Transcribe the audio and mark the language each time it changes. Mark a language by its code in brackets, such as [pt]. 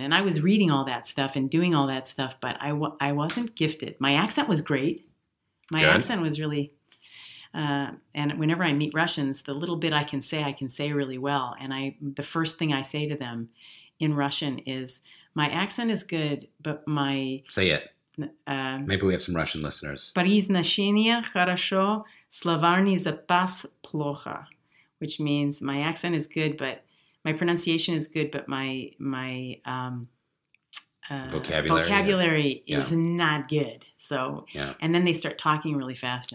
[en] And I was reading all that stuff and doing all that stuff, but I wasn't gifted. My accent was great. My accent was really, and whenever I meet Russians, the little bit I can say really well. And the first thing I say to them in Russian is, my accent is good, but my... Say it. Maybe we have some Russian listeners. [ru] Произношение хорошо, словарный запас плохо. [en] Which means my accent is good, but my pronunciation is good, but my vocabulary is not good. So, and then they start talking really fast.